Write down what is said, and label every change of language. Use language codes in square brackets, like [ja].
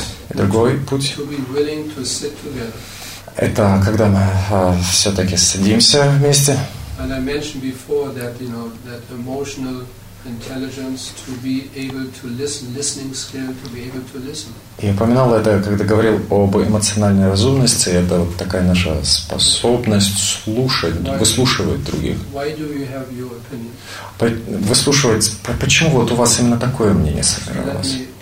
[ru] Другой путь — это когда мы все-таки садимся вместе. [en] And I mentioned before that, you know, that emotional intelligence to be able to listen, listening skill to be able to listen. [ru] Я упоминал это, когда говорил об эмоциональной разумности, это вот такая наша способность слушать, выслушивать других. [en] Why do you have your opinion? [ru] Выслушивать, почему вот у вас именно такое мнение сформировалось?